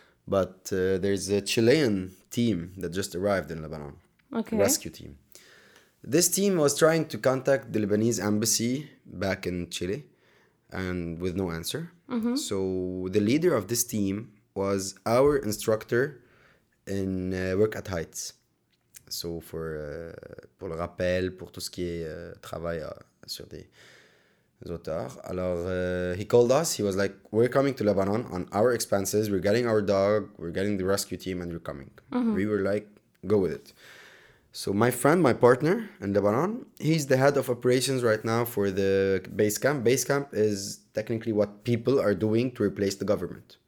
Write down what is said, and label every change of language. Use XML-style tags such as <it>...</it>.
<en>But there's a Chilean team that just arrived in Lebanon. Okay. Rescue team. This team was trying to contact the Lebanese embassy back in Chile and with no answer. Mm-hmm. So the leader of this team was our instructor in work at heights. So for</en> <fr>pour le rappel, pour tout ce qui est travail sur des auteurs.</fr> <en>Alors, he called us. He was like, we're coming to Lebanon on our expenses. We're getting our dog. We're getting the rescue team and you're coming. Mm-hmm. We were like, go with it. So my friend, my partner in Lebanon, he's the head of operations right now for the base camp. Base camp is technically what people are doing to replace the government.</en>